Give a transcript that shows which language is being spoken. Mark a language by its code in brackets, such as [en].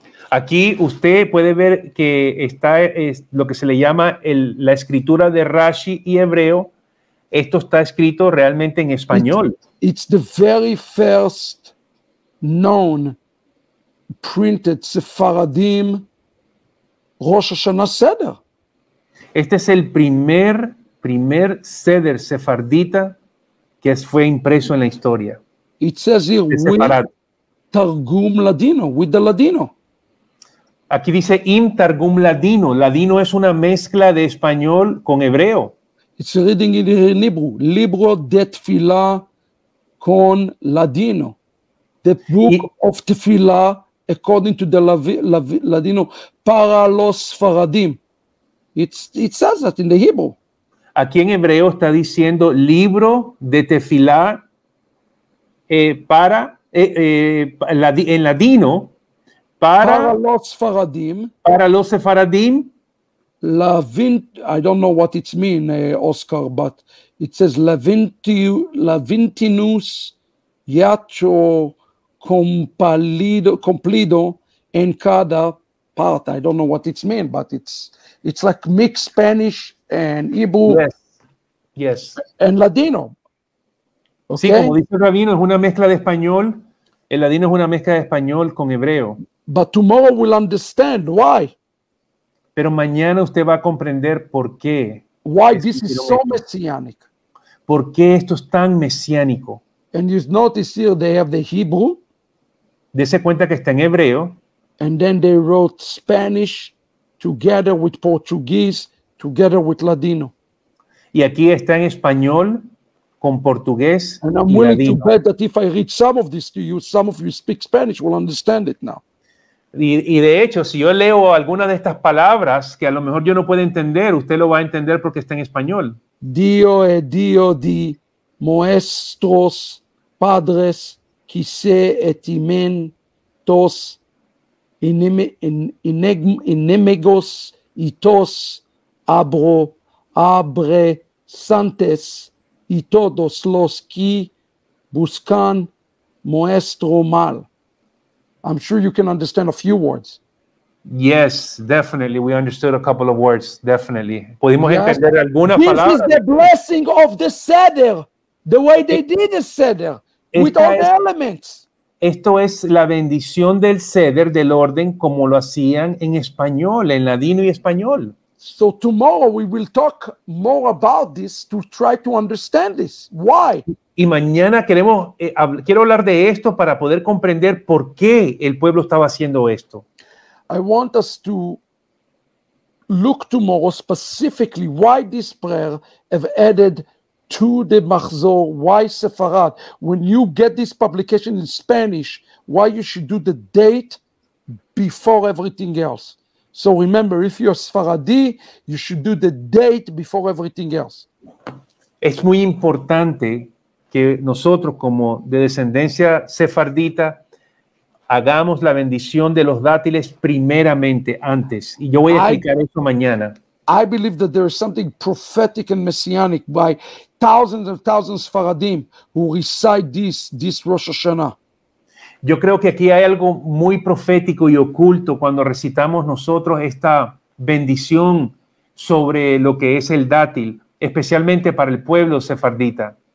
[es] Aquí usted puede ver que está lo que se le llama la escritura de Rashi y hebreo. Esto está escrito realmente en español. [en] It's the very first known printed Sefaradim Rosh Hashanah Seder. [es] Este es el primer Seder Sefardita que fue impreso en la historia. [en] It says here with Targum Ladino, with the Ladino. [es] Aquí dice [he] Im Targum Ladino. [es] Ladino es una mezcla de español con hebreo. [en] It's reading in Hebrew, [es] Libro de Tefila con Ladino. [en] The book of Tefila, according to the Ladino, [es] para los Sfaradim. [en] It says that in the Hebrew. [es] Aquí en hebreo está diciendo Libro de Tefila en Ladino, para los Sfaradim. [en] I don't know what it means, Oscar, but it says [lad] Laventinus Yacho Complido en cada part. [en] I don't know what it means, but it's like mixed Spanish and Hebrew. Yes. Yes. And Ladino. Okay? [es] Sí, como dice el rabino, es una mezcla de español. El Ladino es una mezcla de español con hebreo. [en] But tomorrow we'll understand why. [es] Pero mañana usted va a comprender por qué. [en] Why this is so messianic. [es] ¿Por qué esto es tan mesiánico? [en] And you notice here they have the Hebrew. [es] Dese cuenta que está en hebreo. [en] And then they wrote Spanish together with Portuguese together with Ladino. [es] Y aquí está en español con portugués y ladino. [en] And I'm willing to bet that if I read some of this to you, some of you speak Spanish will understand it now. [es] Y de hecho, si yo leo alguna de estas palabras que a lo mejor yo no puedo entender, usted lo va a entender porque está en español. [lad] Dio e Dio di nuestros padres que se etimentos enemigos y tos abre santes y todos los que buscan nuestro mal. [en] I'm sure you can understand a few words. Yes, definitely. We understood a couple of words. Definitely. [es] Podemos entender alguna palabra. [en] This is the blessing of the Seder. The way they did the Seder. With all the elements. [es] Esto es la bendición del Seder, del orden, como lo hacían en español, en ladino y español. [en] So tomorrow we will talk more about this to try to understand this. Why? [es] Y mañana quiero hablar de esto para poder comprender por qué el pueblo estaba haciendo esto. [en] I want us to look tomorrow specifically why this prayer have added to the Machzor, why Sefarad. When you get this publication in Spanish, why you should do the date before everything else. So remember, if you're Sfaradi, you should do the date before everything else. [es] Es muy importante que nosotros como de descendencia sefardita hagamos la bendición de los dátiles primeramente antes. Y yo voy a explicar eso mañana. [en] I believe that there is something prophetic and messianic by thousands and thousands of Faradim who recite this Rosh Hashanah. [es] Yo creo que aquí hay algo muy profético y oculto cuando recitamos nosotros esta bendición sobre lo que es el dátil, especialmente para el pueblo sefardita.